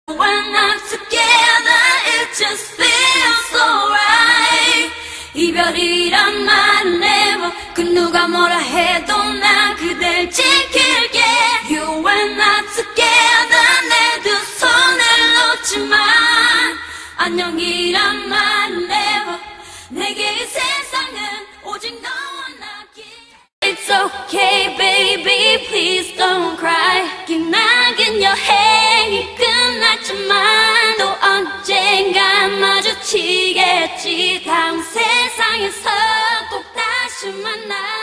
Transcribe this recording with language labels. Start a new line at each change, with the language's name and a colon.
English: When I'm together, it just feels so right.
Korean: 이별이란 말은 never. 그 누가 뭐라 해도 난 그댈 지킬게.
English: You and I together,
Korean: 내 두 손을 놓지 마. 안녕이란 말은 never. 내게 이 세상은 오직 너와 나기.
English: It's okay, baby, please don't cry.
Korean: 기나긴 여행이 끝났지만 또 언젠가 마주치겠지. 다음 세상에서 꼭 다시 만나.